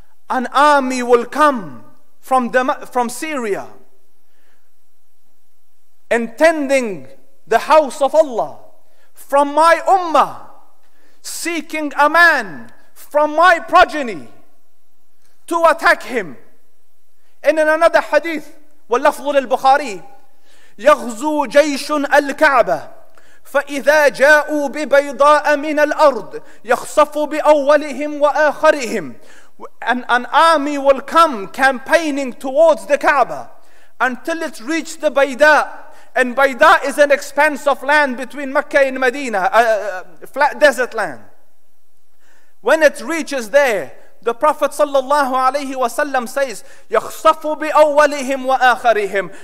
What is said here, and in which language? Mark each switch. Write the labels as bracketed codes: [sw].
[en] An army will come from Syria, intending the house of Allah from my ummah, seeking a man from my progeny to attack him. And in another hadith, [ar] وَاللَّفْظُ لِلْبُخَارِي يَغْزُو جَيْشٌ الْكَعْبَةِ فَإِذَا جَاءُوا بِبَيْضَاءَ مِنَ الْأَرْضِ يَخْصَفُ بِأَوَّلِهِمْ وَآخَرِهِمْ. [en] An army will come campaigning towards the Kaaba until it reached the Bayda. And Bayda is an expanse of land between Mecca and Medina, a flat desert land. When it reaches there, the Prophet sallallahu alayhi wa sallam says, [ar] يَخْصَفُ بِأَوَّلِهِمْ وَآخَرِهِمْ.